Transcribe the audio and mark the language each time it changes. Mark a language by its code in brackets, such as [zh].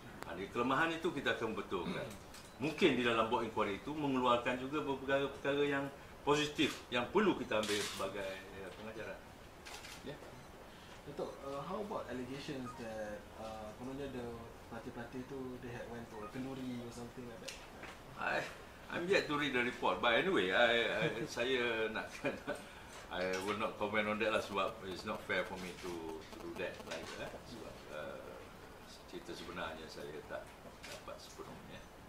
[ms] Di kelemahan itu kita akan betulkan. Mungkin di dalam board inquiry itu mengeluarkan juga beberapa perkara yang positif yang perlu kita ambil sebagai pengajaran. [en] Yeah. Datuk, how about allegations that kononnya the [ms] parti-parti itu [en] they had went to a kenduri or something like that? I'm yet to read the report. But anyway, I will not comment on that [ms] lah sebab [en] it's not fair for me to do that. Like, [ms] sebab cerita sebenarnya saya tak dapat sepenuhnya.